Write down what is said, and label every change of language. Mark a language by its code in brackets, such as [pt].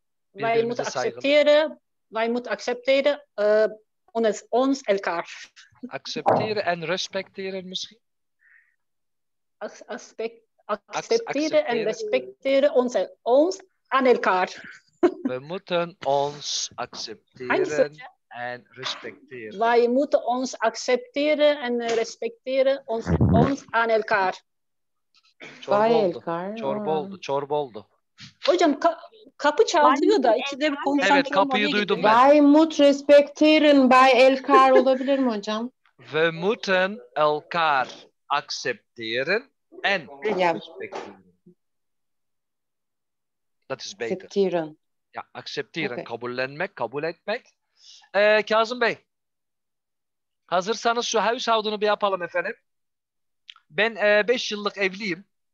[nl] Wij moeten accepteren. Wij moeten accepteren ons elkaar. Accepteren en respecteren misschien? Accepteren en respecteren ons aan elkaar. We moeten ons accepteren en respecteren. Wij moeten ons accepteren en respecteren ons aan elkaar. [tr] Çorba oldu. Hocam kapı çalıyor da içinde bir konuşan evet, kapıyı duydum ben. [nl] Wij moeten respecteren bij elkaar [tr] olabilir mi hocam? [nl] We moeten elkaar accepteren en respecteren. [en] That is better. [nl] Accepteren. Ya accepteren, okay. [tr] Kabullenmek, kabul etmek. Kazım Bey. Hazırsanız şu household'unu bir yapalım efendim. Ben 5 yıllık evliyim.